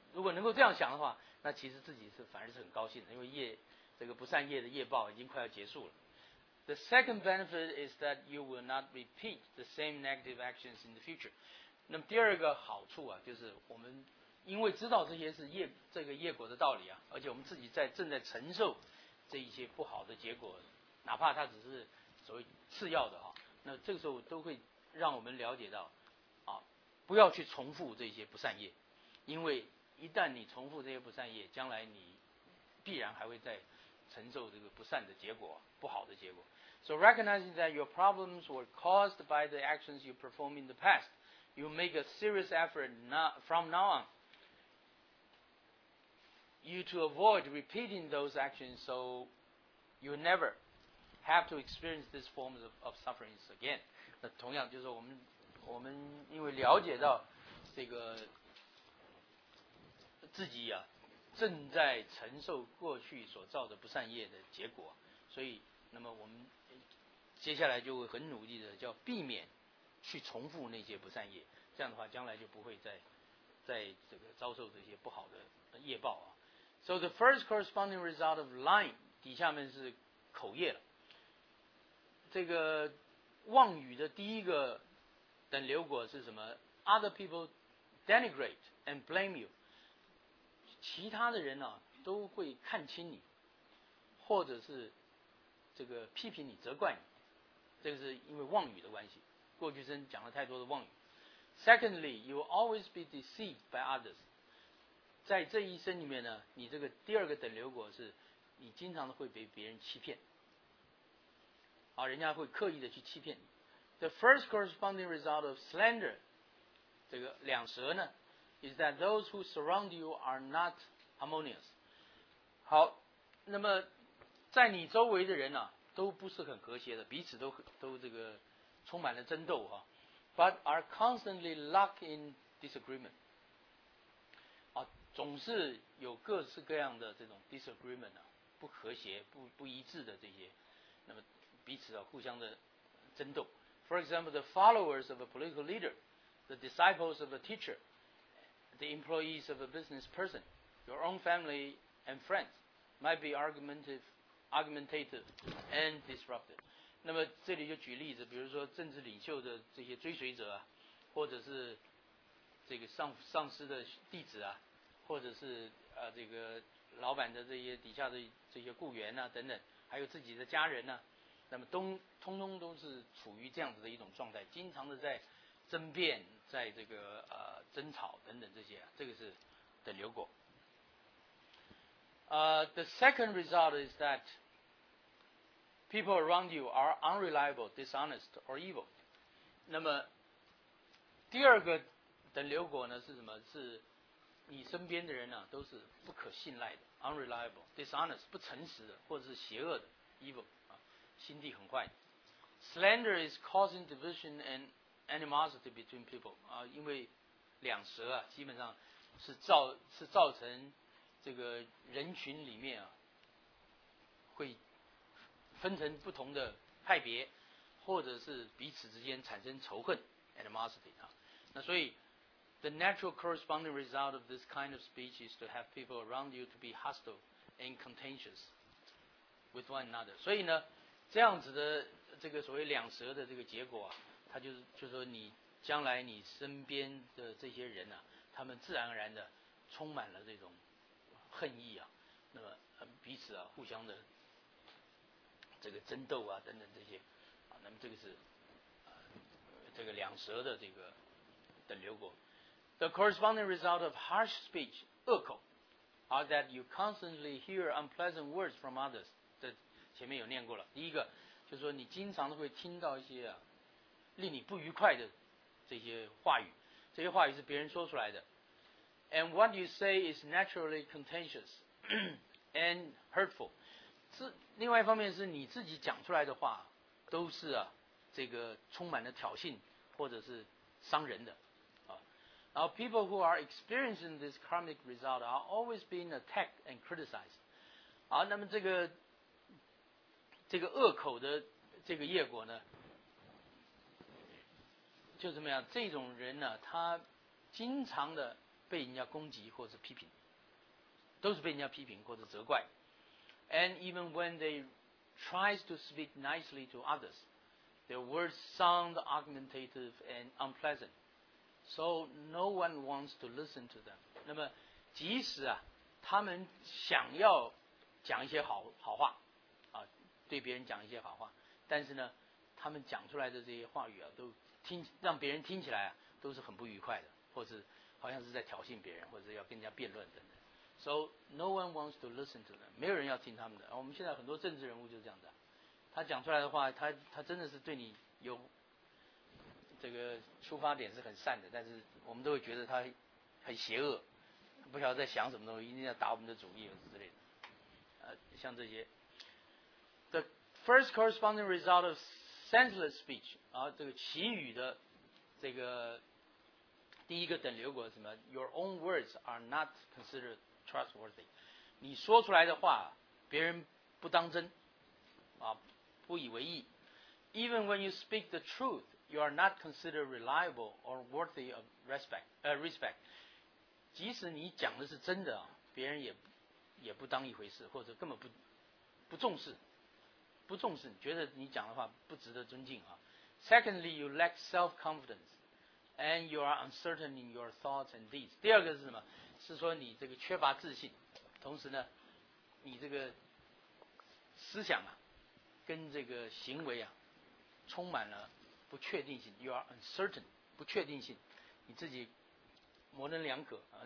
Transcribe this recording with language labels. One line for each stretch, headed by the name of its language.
Chinese: 如果能够这样想的话，那其实自己是反而是很高兴的，因为不善业的业报已经快要结束了。
English: The second benefit is that you will not repeat the same negative actions in the future.
Chinese: 那么第二个好处啊，就是我们因为知道这些是业果的道理啊，而且我们自己正在承受这一些不好的结果，哪怕它只是所谓次要的啊，那这个时候都会让我们了解到，啊，不要去重复这些不善业，因为一旦你重复这些不善业，将来你必然还会再承受这个不善的结果，不好的结果。
English: So recognizing that your problems were caused by the actions you performed in the past, you make a serious effort from now on, you to avoid repeating those actions, so you never have to experience this form of sufferings again.
Chinese: 那同样就是我们因为了解到这个自己啊正在承受过去所造的不善业的结果，所以那么我们接下来就会很努力的叫避免去重复那些不善业，这样的话将来就不会再这个遭受这些不好的业报啊。
English: So the first corresponding result of lying，
Chinese: 底下面是口业了。这个妄语的第一个等流果是什么 ？
English: Other people denigrate and blame you，
Chinese: 其他的人呢、啊、都会看轻你，或者是这个批评你、责怪你，这个是因为妄语的关系。过去生讲了太多的妄语。
English: Secondly， you will always be deceived by others。
Chinese: 在这一生里面呢，你这个第二个等流果是，你经常会被别人欺骗，啊，人家会刻意的去欺骗你。
English: The first corresponding result of slander，
Chinese: 这个两舌呢
English: ，is that those who surround you are not harmonious。
Chinese: 好，那么在你周围的人呢、啊，都不是很和谐的，彼此都这个充满了争斗啊。
English: But are constantly locked in disagreement。
Chinese: 总是有各式各样的这种 disagreement、啊、不和谐 不一致的这些，那么彼此、啊、互相的争斗。
English: For example, the followers of a political leader, the disciples of a teacher, the employees of a business person, your own family and friends might be argumentative and disruptive.
Chinese: 那么这里就举例子，比如说政治领袖的这些追随者、啊、或者是这个上司的弟子啊，或者是这个老板的这些底下的这些雇员啊等等，还有自己的家人啊，那么通通都是处于这样子的一种状态，经常的在争辩，在这个争吵等等这些、啊、这个是等流果。
English: The second result is that people around you are unreliable, dishonest or evil.
Chinese: 那么第二个等流果呢是什么？是你身边的人呢、啊，都是不可信赖的 ，
English: unreliable, dishonest,
Chinese: 不诚实的，或者是邪恶的 ，evil 啊，心地很坏。
English: Slander is causing division and animosity between people
Chinese: 啊，因为两舌啊，基本上是造成这个人群里面啊，会分成不同的派别，或者是彼此之间产生仇恨 ，animosity 啊，那所以。
English: The natural corresponding result of this kind of speech is to have people around you to be hostile and contentious with one another.
Chinese: 所以呢，这样子的这个所谓两舌的这个结果啊，它就是说你将来你身边的这些人啊，他们自然而然的充满了这种恨意啊，那么彼此啊互相的这个争斗啊等等这些啊，那么这个是这个两舌的这个等流果。
English: The corresponding result of harsh speech, 恶口 are that you constantly hear unpleasant words from others.
Chinese: 这前面有念过了。第一个就是说你经常会听到一些、啊、令你不愉快的这些话语，这些话语是别人说出来的。
English: And what you say is naturally contentious and hurtful.
Chinese: 另外一方面是你自己讲出来的话都是、啊、这个充满了挑衅或者是伤人的。
English: Now, people who are experiencing this karmic result are always being attacked and criticized.
Chinese: 好，那么这个恶口的这个业果呢，就怎么样？这种人呢，他经常的被人家攻击或者批评，都是被人家批评或者责怪。
English: And even when they try to speak nicely to others, their words sound argumentative and unpleasant. So no one wants to listen to them.
Chinese: 那么即使啊他们想要讲一些好话啊，对别人讲一些好话，但是呢他们讲出来的这些话语啊都听让别人听起来啊都是很不愉快的，或是好像是在挑衅别人，或者要跟人家辩论等等。
English: So no one wants to listen to them.
Chinese: 没有人要听他们的、啊、我们现在很多政治人物就是这样的，他讲出来的话他真的是对你有这个出发点是很善的，但是我们都会觉得他很邪恶，不晓得在想什么东西，一定要打我们的主意之类的。像这些
English: ，the first corresponding result of senseless speech，
Chinese: 啊，这个绮语的这个第一个等流果什么
English: ？Your own words are not considered trustworthy.
Chinese: 你说出来的话，别人不当真，啊，不以为意。
English: Even when you speak the truth, you are not considered reliable or worthy of respect.
Chinese: 即使你讲的是真的，别人也不当一回事，或者根本不重视，不重视，觉得你讲的话不值得尊敬啊。
English: Secondly, you lack self-confidence. And you are uncertain in your thoughts and deeds.
Chinese: 第二个是什么？是说你这个缺乏自信，同时呢，你这个思想啊，跟这个行为啊，充满了不确定性。
English: You are uncertain,
Chinese: 不确定性，你自己模棱两可啊。